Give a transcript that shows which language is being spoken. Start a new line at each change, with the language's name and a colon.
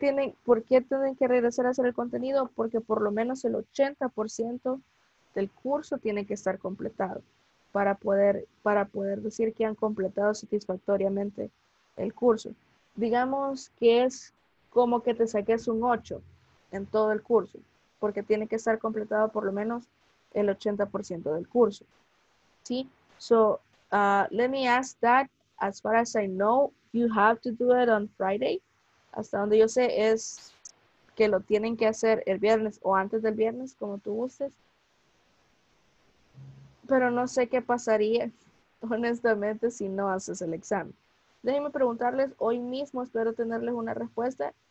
Spanish: ¿Por qué tienen que regresar a hacer el contenido? Porque por lo menos el 80% del curso tiene que estar completado para poder decir que han completado satisfactoriamente el curso. Digamos que es como que te saques un 8 en todo el curso, porque tiene que estar completado por lo menos el 80% del curso. ¿Sí?
English: So, let me ask that, as far as I know, you have to do it on Friday.
Spanish: Hasta donde yo sé es que lo tienen que hacer el viernes o antes del viernes, como tú gustes. Pero no sé qué pasaría, honestamente, si no haces el examen. Déjenme preguntarles hoy mismo, espero tenerles una respuesta.